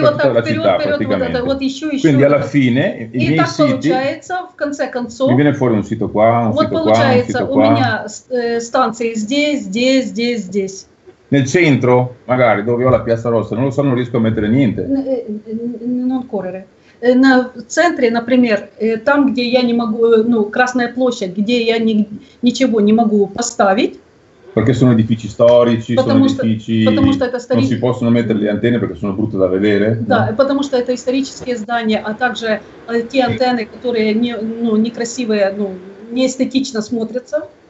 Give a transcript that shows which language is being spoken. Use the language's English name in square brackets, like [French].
[Russian] по всей città, практически. Вот еще. [Italian] Quindi alla fine, [Russian] и так получается, в конце концов, [Italian] мне viene fuori un sito qua, un sito qua, un sito qua. [Russian] У меня станции здесь, здесь, здесь, здесь. [Italian] Nel centro, magari, dove ho la Piazza Rossa, non lo so, non riesco a mettere niente. Non correre. [Russian] В центре, например, там, где я не могу, ну, Красная площадь, где я ничего не могу поставить. [Italian] Perché sono edifici storici, non si possono mettere le antenne perché sono brutte da vedere. Да, no? [Russian] Потому что это исторические здания, а также те антенны, которые не, ну, некрасивые, ну, неэстетично смотрятся.